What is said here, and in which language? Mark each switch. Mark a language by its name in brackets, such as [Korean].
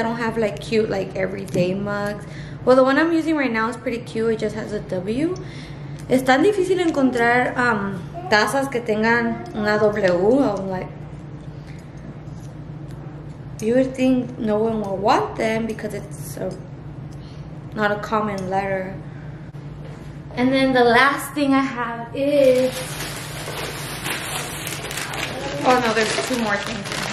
[English] I don't have like cute like everyday mugs. Well, the one I'm using right now is pretty cute. It just has a W. [Spanish] Es tan difícil encontrar tazas que tengan una W. [English] I'm like, you would think no one will want them because it's not a common letter. And then the last thing I have is, oh no, there's two more things.